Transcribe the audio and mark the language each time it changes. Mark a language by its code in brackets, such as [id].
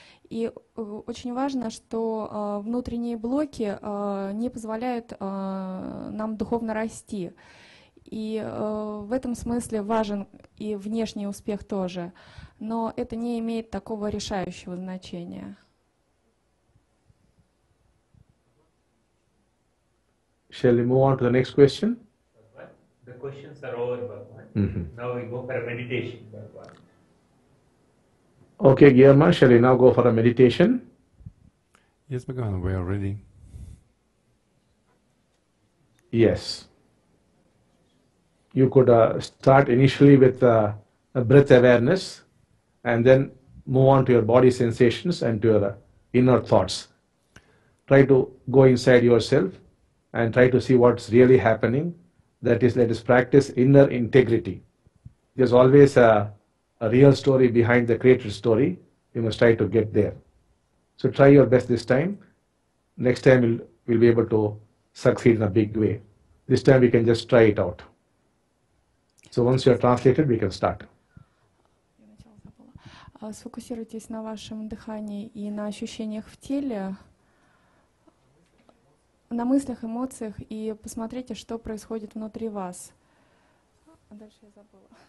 [ru] И очень важно, что внутренние блоки не позволяют нам духовно расти. И в этом смысле важен и внешний успех тоже. Но это не имеет такого решающего значения. [en] Shall we move on to the next question? The questions are over, Bhagavan. Mm-hmm. Now we go for a meditation, Bhagavan. Okay, Girma, shall we now go for a meditation? Yes, Bhagavan, we are ready. Yes. You could start initially with a breath awareness and then move on to your body sensations and to your inner thoughts. Try to go inside yourself and try to see what's really happening. That is, let us practice inner integrity. There's always a real story behind the created story. You must try to get there. So try your best this time. Next time we'll be able to succeed in a big way. This time we can just try it out. So once you are translated, we can start. [ru] Сфокусируйтесь на вашем дыхании и на ощущениях в теле, на мыслях, эмоциях, и посмотрите, что происходит внутри вас. А дальше я забыла.